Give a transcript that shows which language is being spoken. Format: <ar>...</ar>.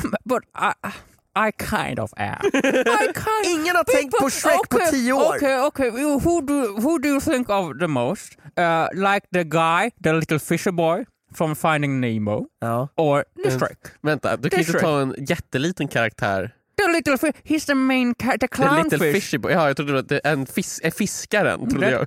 <en>But I kind of am.</en> <sv>Ingen har tänkt på Shrek på 10 år.</sv> <en>Okay. Who do you think of the most? Like the guy, the little fisher boy from Finding Nemo?</en> <sv>Ja.</sv> <en>Or the Shrek?</en> <sv>Vänta, du kan inte ta en jätteliten karaktär.</sv> <en>The little he's the main character, the clownfish. The little fishy boy.</en> <sv>Ja, jag trodde att det är fiskaren, trodde jag.</sv>